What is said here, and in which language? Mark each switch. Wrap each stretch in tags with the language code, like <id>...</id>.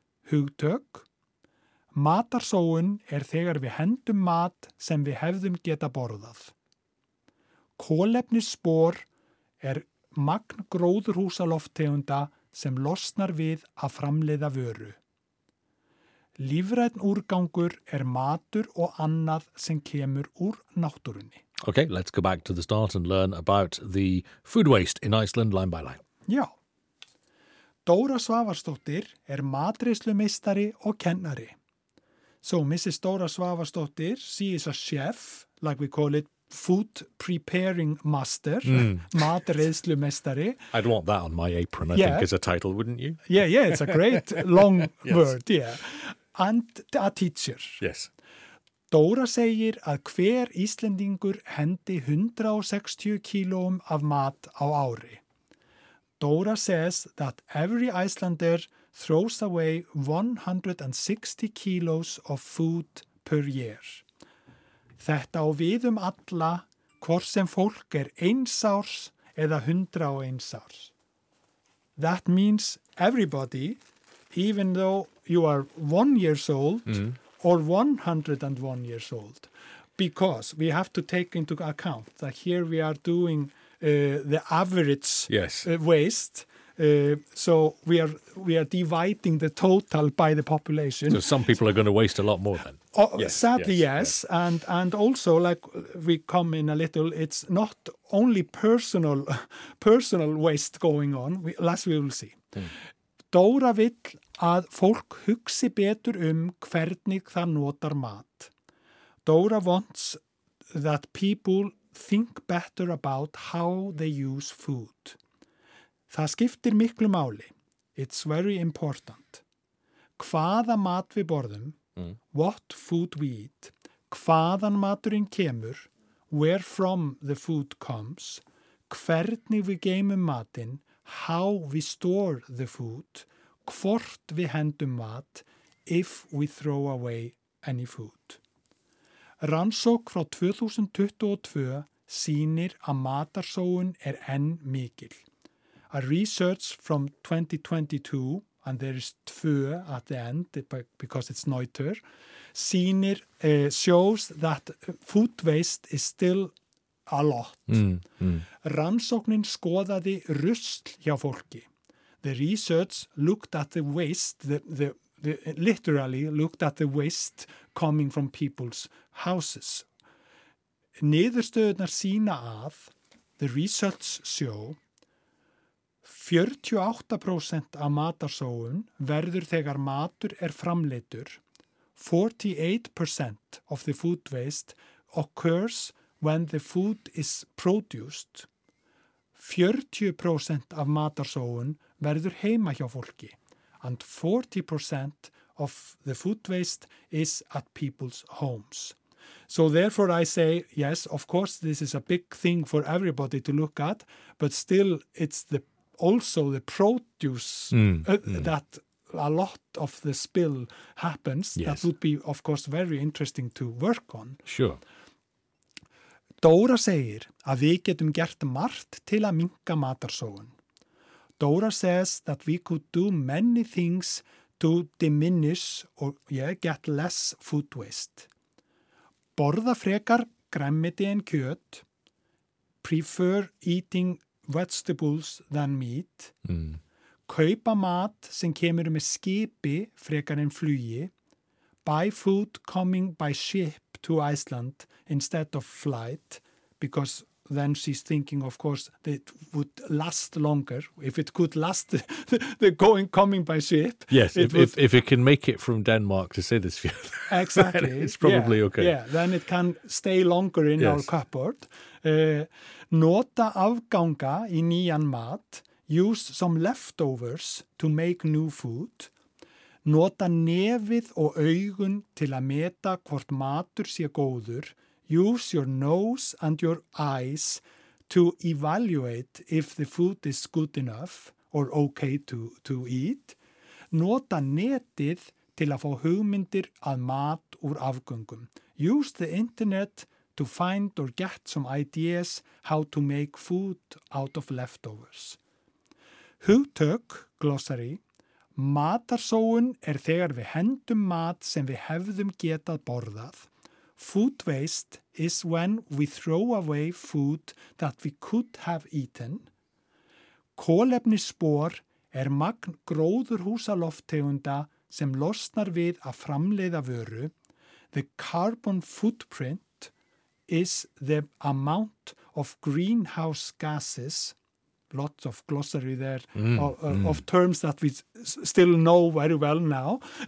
<is>Hugtök, matarsóun þegar við hendum mat sem við hefðum geta borðað. Kolefnisspor magn gróðurhúsalofttegunda sem losnar við að framleiða vöru. Lífrænn úrgangur matur og annað sem kemur úr náttúrunni.</is> <en>Okay, let's go back to the start and learn about the food waste in Iceland line by line.</en> <is>Já. Dóra Svavarsdóttir matreiðslumeistari og kennari.</is> <en>So, Mrs. Dóra Svavarsdóttir, she is a chef, like we call it, food preparing master, matreiðslumeistari. I'd want that on my apron, I think, as a title, wouldn't you? Yeah, yeah, it's a great long word, yeah. And a teacher. Yes.</en> <is>Dóra segir að hver Íslendingur hendi 160 kílóum af mat á ári.</is> <en>Dóra says that every Icelander throws away 160 kilos of food per year.</en> <is>Þetta á við alla, hvort sem fólk einsárs eða 101 árs.</is> <en>That means everybody, even though you are 1 year old or 101 years old, because we have to take into account that here we are doing the average waste. So we are dividing the total by the population. So some people are going to waste a lot more then. Sadly, yes. And also, like we come in a little, it's not only personal waste going on. We will see.</en> <is>Dóra vill að fólk hugsi betur hvernig það notar mat.</is> <en>Dóra wants that people think better about how they use food.</en> <is>Það skiptir miklu máli.</is> <en>It's very important.</en> <is>Hvaða mat við borðum,</is> <en>what food we eat,</en> <is>hvaðan maturinn kemur,</is> <en>where from the food comes,</en> <is>hvernig við geymum matinn,</is> <en>how we store the food,</en> <is>hvort við hendum mat,</is> <en>if we throw away any food.</en> <is>Rannsók frá 2022 sýnir að matarsóun enn mikil.</is> <en>A research from 2022, and there is two at the end because it's neuter, shows that food waste is still a lot.</en> <is>Rannsóknin skoðaði rusl hjá fólki.</is> <en>the research looked at the waste, the literally looked at the waste coming from people's houses.</en> <is>Niðurstöðurnar sýna að</is> <en>the research show</en> <is>48% af matarsóun verður þegar matur framleiddur.</is> <en>48% of the food waste occurs when the food is produced.</en> <is>40% af matarsóun verður heima hjá fólki</is> <en>and 40% of the food waste is at people's homes. So therefore I say, yes, of course, this is a big thing for everybody to look at, but still it's the also the produce that a lot of the spill happens. Yes. That would be, of course, very interesting to work on. Sure.</en> <is>Dóra segir að við getum gert margt til að minnka matarsóun.</is> <en>Dóra says that we could do many things to diminish or get less food waste.</en> <is>Borða frekar grænmeti en kjöt,</is> <en>prefer eating vegetables than meat,</en> <is>kaupa mat sem kemur með skipi frekar en flugi,</is> <en>buy food coming by ship to Iceland instead of flight, because then she's thinking, of course, that it would last longer. If it could last the going coming by ship. Yes, if it can make it from Denmark to say this. Exactly. It's probably yeah. okay. Yeah, then it can stay longer in our cupboard.</en> <is>Nota afganga í nýjan mat.</is> <en>Use some leftovers to make new food.</en> <is>Nota nefið og augun til að meta hvort matur sé góður.</is> <en>Use your nose and your eyes to evaluate if the food is good enough or okay to eat.</en> <is>Nota netið til að fá hugmyndir að mat úr afgöngum.</is> <en>Use the internet to find or get some ideas how to make food out of leftovers.</en> <is>Hugtök, glossary, matarsóun þegar við hendum mat sem við hefðum getað borðað.</is> <en>Food waste is when we throw away food that we could have eaten.</en> <is>Kolefnisspor magn gróðurhúsalofttegunda sem losnar við að framleiða vöru.</is> <en>The carbon footprint is the amount of greenhouse gases. Lots of glossary there of terms that we still know very well now.</en>